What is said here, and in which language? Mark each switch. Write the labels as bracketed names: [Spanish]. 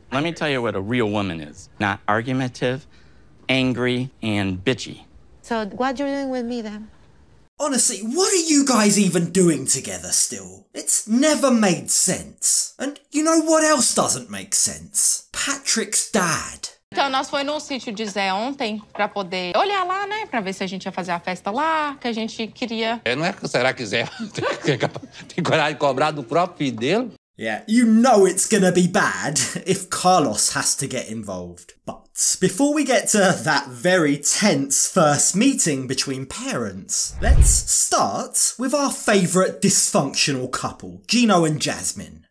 [English] Let me tell you what a real woman is. Not argumentative, angry, and bitchy. So what are you doing with me then? Honestly, what are you guys even doing together still? It's never made sense. And you know what else doesn't make sense? Patrick's dad. [Portuguese] Então, nós fomos no sítio de Zé ontem pra poder olhar lá, né? Pra ver se a gente ia fazer a festa lá, que a gente queria. É, não é que será que Zé tem coragem de cobrar do próprio filho dele? [English] Yeah, you know it's gonna be bad if Carlos has to get involved. But before we get to that very tense first meeting between parents, let's start with our favourite dysfunctional couple, Gino and Jasmine.